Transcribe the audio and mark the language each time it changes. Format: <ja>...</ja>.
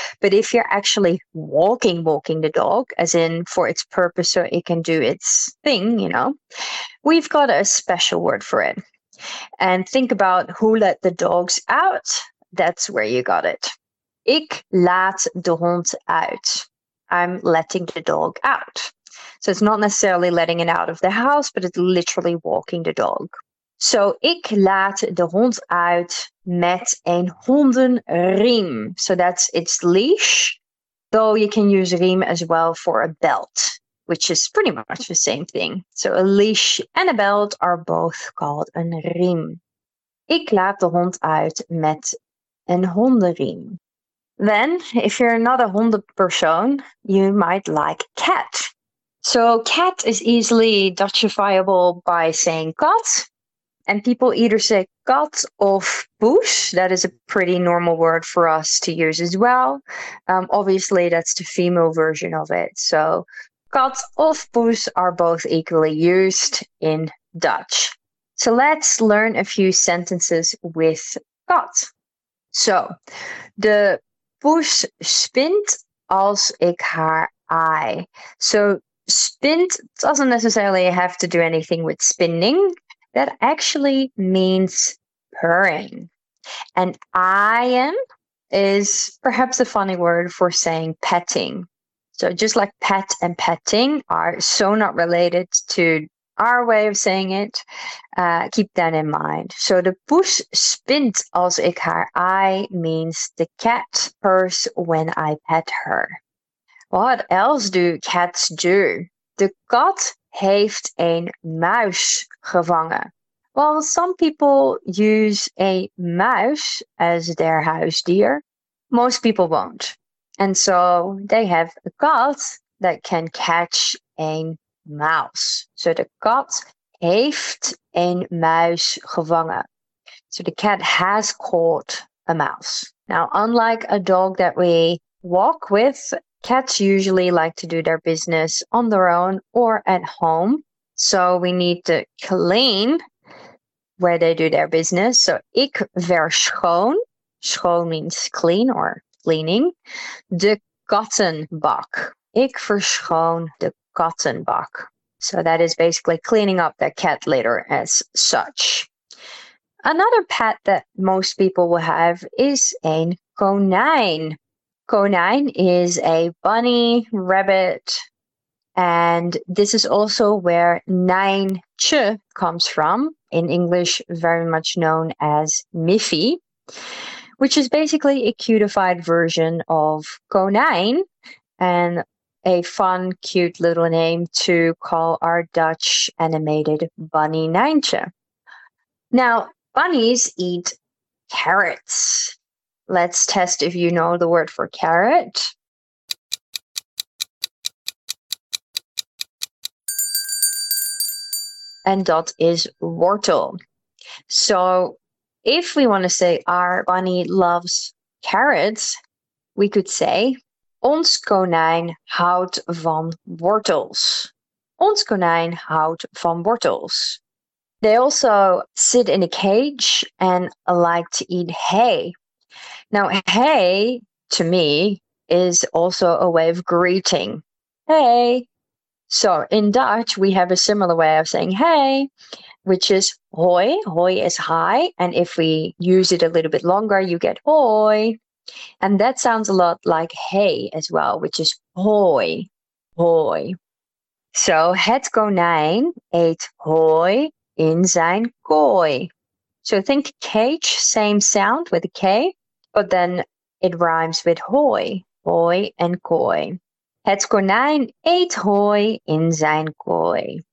<en>But if you're actually walking the dog, as in for its purpose so it can do its thing, you know, we've got a special word for it. And think about who let the dogs out. That's where you got it.</en> <nl>Ik laat de hond uit.</nl> <en>I'm letting the dog out. So it's not necessarily letting it out of the house, but it's literally walking the dog.</en> <nl>So, ik laat de hond uit met een hondenriem.</nl> <en>So, that's its leash. Though you can use riem as well for a belt, which is pretty much the same thing. So, a leash and a belt are both called een riem.</en> <nl>Ik laat de hond uit met een hondenriem.</nl> <en>Then, if you're not a honden persoon, you might like cat. So cat is easily Dutchifiable by saying kat. And people either say</en> <nl>kat of poes.</nl> <en>That is a pretty normal word for us to use as well. Obviously, that's the female version of it. So</en> <nl>kat of poes</nl> <en>are both equally used in Dutch. So let's learn a few sentences with kat.</en> <nl>So the poes spint als ik haar ei.</nl> <en>So spint doesn't necessarily have to do anything with spinning. That actually means purring. And aaien is perhaps a funny word for saying petting. So just like pet and petting are so not related to our way of saying it, keep that in mind. So</en> <nl>de poes spint als ik haar aai</nl> <en>means the cat purrs when I pet her. What else do cats do?</en> <nl>De kat heeft een muis gevangen.</nl> <en>Well, some people use a mouse as their huisdier. Most people won't. And so they have a kat that can catch een mouse.</en> <nl>So the kat heeft een muis gevangen.</nl> <en>So the cat has caught a mouse. Now, unlike a dog that we walk with, cats usually like to do their business on their own or at home. So we need to clean where they do their business. So</en> <nl>ik verschoon.</nl> <en>Schoon means clean or cleaning.</en> <nl>De kattenbak. Ik verschoon de kattenbak.</nl> <en>So that is basically cleaning up their cat litter as such. Another pet that most people will have is een konijn. Konijn is a bunny, rabbit, and this is also where nijntje comes from, in English very much known as Miffy, which is basically a cutified version of konijn, and a fun, cute little name to call our Dutch animated bunny nijntje. Now, bunnies eat carrots. Let's test if you know the word for carrot. And</en> <nl>dat is wortel.</nl> <en>So if we want to say our bunny loves carrots, we could say</en> <nl>ons konijn houdt van wortels. Ons konijn houdt van wortels.</nl> <en>They also sit in a cage and like to eat hay. Now, hey, to me, is also a way of greeting. Hey. So in Dutch, we have a similar way of saying hey, which is hoi. Hoi is hi. And if we use it a little bit longer, you get hoi. And that sounds a lot like hey as well, which is hoi, hoi.</en> <nl>So het konijn eet hoi in zijn kooi.</nl> <en>So think cage, same sound with a K. But then it rhymes with hoi, hoi and kooi.</en> <nl>Het konijn eet hoi in zijn kooi.</nl>